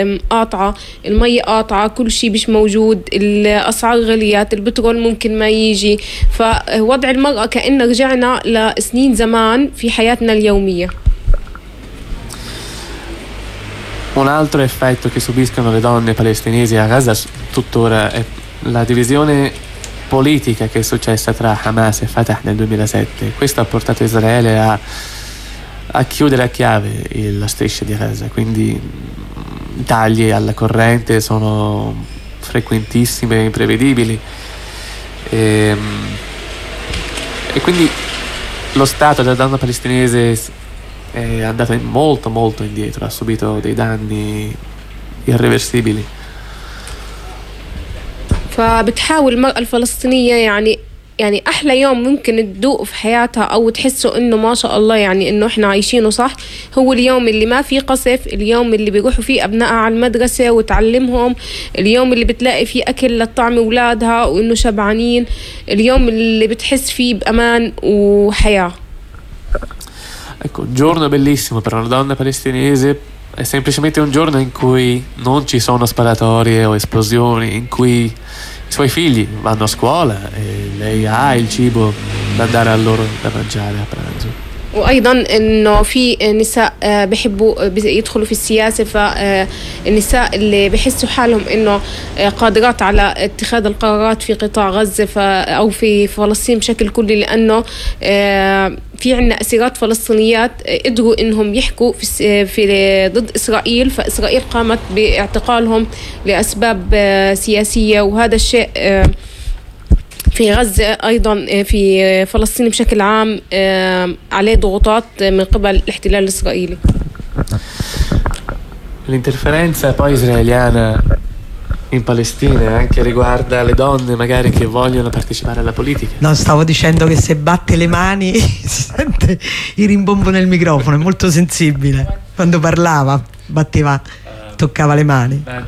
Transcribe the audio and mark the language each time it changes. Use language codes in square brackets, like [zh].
[ar] قاطعة، المية قاطعة، كل شيء مش موجود، الأسعار غليات، البترول ممكن ما يجي، فوضع المرأة كأن رجعنا لسنين زمان في حياتنا اليومية. [it] Un altro effetto che subiscono le donne palestinesi a Gaza tuttora è la divisione politica che è successa tra Hamas e Fatah nel 2007. Questo ha portato Israele a chiudere a chiave la striscia di Gaza, quindi tagli alla corrente sono frequentissime e imprevedibili, e quindi lo stato della donna palestinese è andato molto molto indietro, ha subito dei danni irreversibili. [ar] فبتحاول المرأة الفلسطينية يعني يعني أحلى يوم ممكن تدوق في حياتها أو تحسه إنه ما شاء الله يعني إنه إحنا عايشينه صح، هو اليوم اللي ما فيه قصف، اليوم اللي بيروحوا فيه أبنائها على المدرسة وتعلمهم، اليوم اللي بتلاقي فيه أكل للطعم أولادها وإنه شبعانين، اليوم اللي بتحس فيه بأمان وحياة. [it] Ecco, giorno bellissimo per una donna palestinese è semplicemente un giorno in cui non ci sono sparatorie o esplosioni, in cui i suoi figli vanno a scuola e lei ha il cibo da dare a loro da mangiare a pranzo. [ar] وايضا انه في نساء بحبوا يدخلوا في السياسه، فالنساء اللي بحسوا حالهم انه قادرات على اتخاذ القرارات في قطاع غزه او في فلسطين بشكل كلي، لانه في عندنا اسيرات فلسطينيات قدروا انهم يحكوا في ضد اسرائيل، فاسرائيل قامت باعتقالهم لاسباب سياسيه، وهذا الشيء في غزة أيضا في فلسطين بشكل عام عليه ضغوطات من قبل الاحتلال الإسرائيلي. [it] L'interferenza poi israeliana in Palestina anche riguarda le donne magari che vogliono partecipare alla politica. No, stavo dicendo che se batte le mani sente il rimbombo nel microfono, è molto sensibile. Quando parlava batteva, toccava le mani.